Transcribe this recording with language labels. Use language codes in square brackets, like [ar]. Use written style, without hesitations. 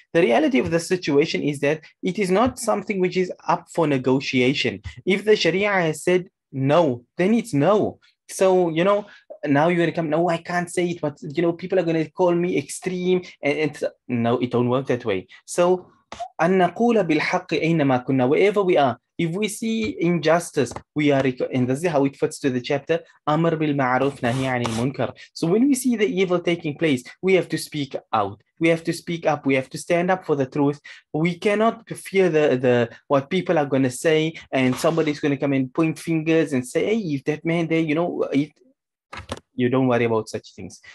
[en] The reality of the situation is that it is not something which is up for negotiation. If the Sharia has said no, then it's no. So, you know, now you're gonna come, no, I can't say it, but you know, people are gonna call me extreme, and no, it don't work that way. [ar] So أن نقول بالحق أينما كنا, [en] wherever we are. If we see injustice, we are, and this is how it fits to the chapter, [ar] أمر بالمعروف نهي عن المنكر. [en] So when we see the evil taking place, we have to speak out. We have to speak up. We have to stand up for the truth. We cannot fear the what people are going to say, and somebody's going to come and point fingers and say, hey, if that man there, you know, it, you don't worry about such things.